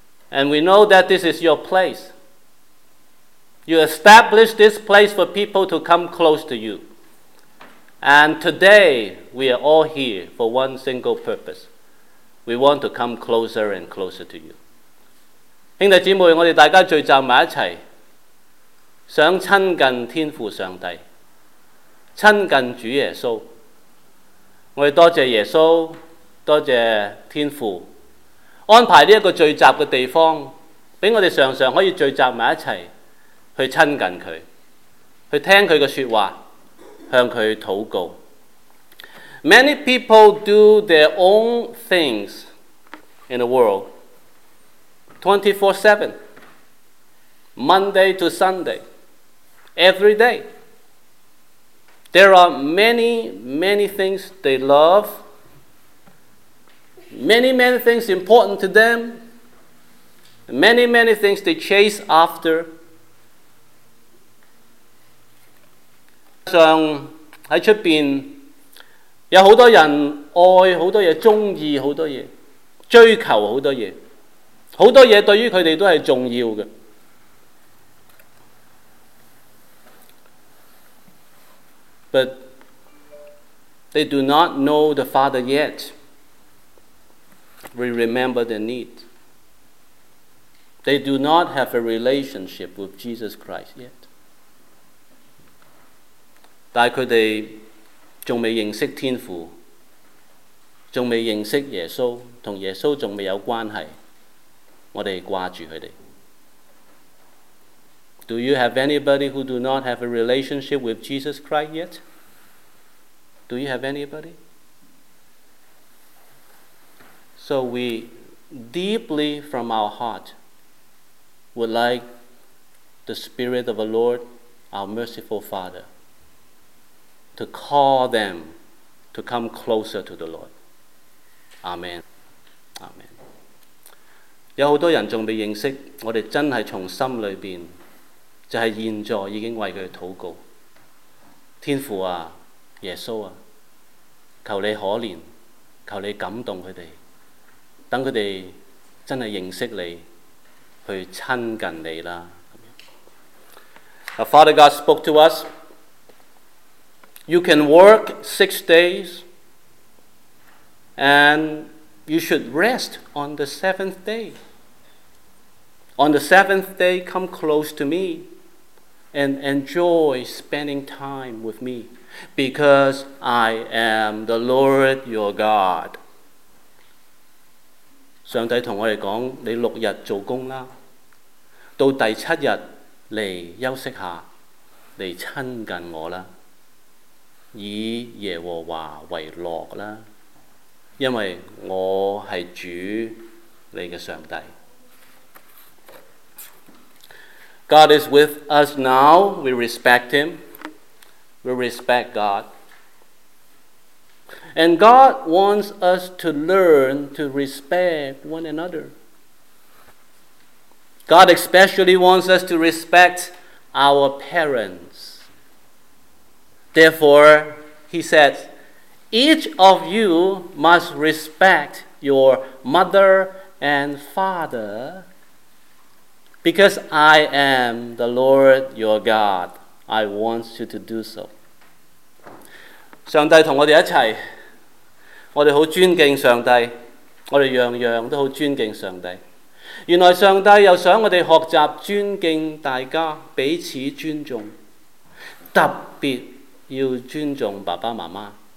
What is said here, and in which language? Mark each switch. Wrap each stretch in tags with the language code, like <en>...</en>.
<en>And we know that this is your place. You established this place for people to come close to you. And today we are all here for one single purpose. We want to come closer and closer to you.</en> <zh>兄弟姐妹，我们大家聚集在一起，想亲近天父上帝。亲近主耶稣，我们多谢耶稣，多谢天父安排这个聚集的地方，让我们常常可以聚集在一起去亲近祂，去听祂的说话，向祂祷告。</zh> <en>Many people do their own things in the world 24/7 Monday to Sunday every dayThere are many, many things they love. Many, many things important to them. Many, many things they chase after.</en> <zh>上在外面有很多人爱很多东西，喜欢很多东西，追求很多东西。很多东西对于他们都是重要的。</zh> <en>But they do not know the Father yet. We remember the need. They do not have a relationship with Jesus Christ yet.</en> <zh>但他们还没认识天父，还没认识耶稣，跟耶稣还没有关系，我们挂住他们。</zh> <en>Do you have anybody who do not have a relationship with Jesus Christ yet? Do you have anybody? So we deeply from our heart would like the Spirit of the Lord, our merciful Father, to call them to come closer to the Lord. Amen. Amen.</en> <zh>有很多人还未认识，我们真的从心里面就是现在已经为他祷告。天父啊，耶稣啊，求你可怜，求你感动他们，让他们真的认识你，去亲近你啦。</zh> <en>Now, Father God spoke to us. You can work 6 days and you should rest on the seventh day. On the seventh day, come close to me and enjoy spending time with me because I am the Lord your God.</en> <zh>上帝同我们说，你六日做工啦，到第七日来休息下，来亲近我啦，以耶和华为乐啦，因为我是主你的上帝。</zh> <en>God is with us now. We respect him. We respect God. And God wants us to learn to respect one another. God especially wants us to respect our parents. Therefore, he says, each of you must respect your mother and father because I am the Lord your God. I want you to do so.</en> <zh>上帝同我们一起，我们很尊敬上帝，我们样样都很尊敬上帝。原来上帝又想我们学习尊敬大家，彼此尊重，特别要尊重爸爸妈妈。</zh>